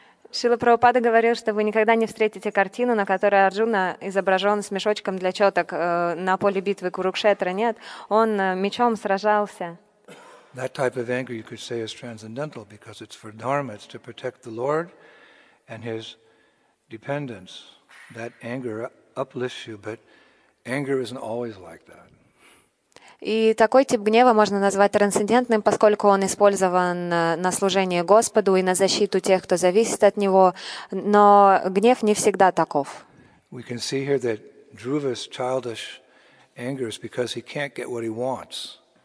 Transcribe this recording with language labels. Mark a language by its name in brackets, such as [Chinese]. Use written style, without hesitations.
[Russian] Шрила Прабхупада говорил, что вы никогда не встретите картину, на которой Арджуна изображен с мешочком для четок на поле битвы Курукшетра. Нет, он мечом сражался. [English] That type of anger, you could say, is transcendental because it's for dharma, it's to protect the Lord and his dependents. That anger uplifts you, but anger isn't always like that. [Russian] И такой тип гнева можно назвать трансцендентным, поскольку он использован на служение Господу и на защиту тех, кто зависит от Него. Но гнев не всегда таков. [English] We can see here that Dhruva's childish anger is because he can't get what he wants.